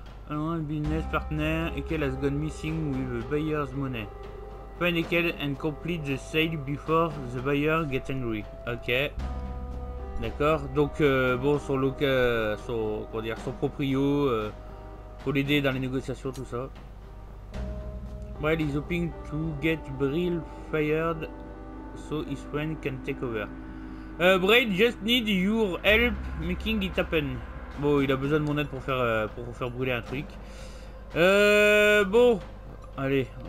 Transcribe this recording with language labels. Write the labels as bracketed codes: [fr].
[en] Alors, business partner, Ekel has gone missing with buyer's money. Find Ekel and complete the sale before the buyer get angry. [fr] Ok, d'accord. Donc, bon, son local, son, comment dire, son proprio, pour l'aider dans les négociations, tout ça. [en] Well, he's hoping to get Brill fired so his friend can take over. Braid just need your help making it happen. [fr] Bon, il a besoin de mon aide pour faire brûler un truc. Bon, allez.